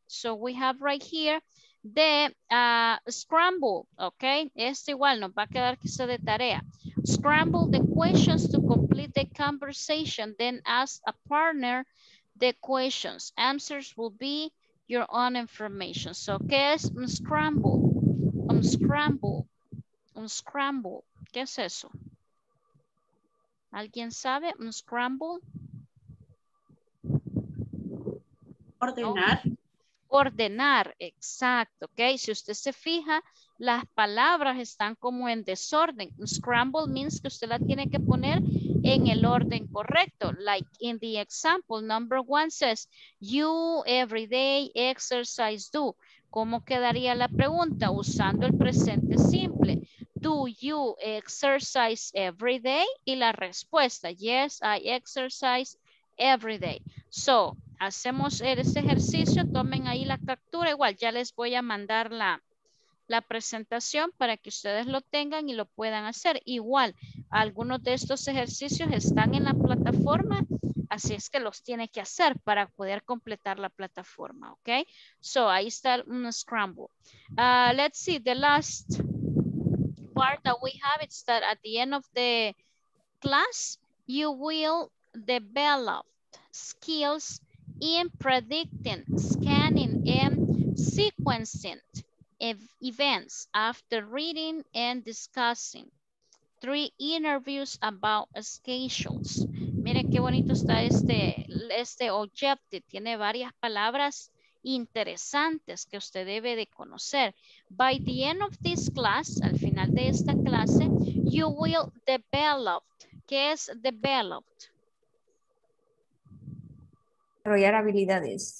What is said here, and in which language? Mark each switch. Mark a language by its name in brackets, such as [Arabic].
[English] So we have right here the scramble, okay? [Spanish] Este igual nos va a quedar quizá de tarea. [English] Scramble the questions to complete the conversation, then ask a partner the questions. Answers will be your own information. [Spanish] So, ¿qué es un scramble? Un scramble. Un scramble. ¿Qué es eso? ¿Alguien sabe? Un scramble. Ordenar. Oh. Ordenar, exacto. Ok, si usted se fija, las palabras están como en desorden. Un scramble means que usted la tiene que poner en el orden correcto. [English] Like in the example, number one says, you every day exercise do. [Spanish] ¿Cómo quedaría la pregunta? Usando el presente simple. [English] Do you exercise every day? [Spanish] Y la respuesta, [English] yes, I exercise every day. [Spanish] So, hacemos ese ejercicio, tomen ahí la captura. Igual ya les voy a mandar la presentación para que ustedes lo tengan y lo puedan hacer. Igual, algunos de estos ejercicios están en la plataforma, así es que los tiene que hacer para poder completar la plataforma, ¿ok? So, ahí está un scramble. [English] Let's see, the last part that we have is that at the end of the class, you will develop skills in predicting, scanning, and sequencing events after reading and discussing 3 interviews about schedules. [Spanish] Miren qué bonito está este objective. Tiene varias palabras interesantes que usted debe de conocer. [English] By the end of this class, [Spanish] al final de esta clase, [English] you will develop. [Spanish] ¿Qué es developed? Desarrollar habilidades.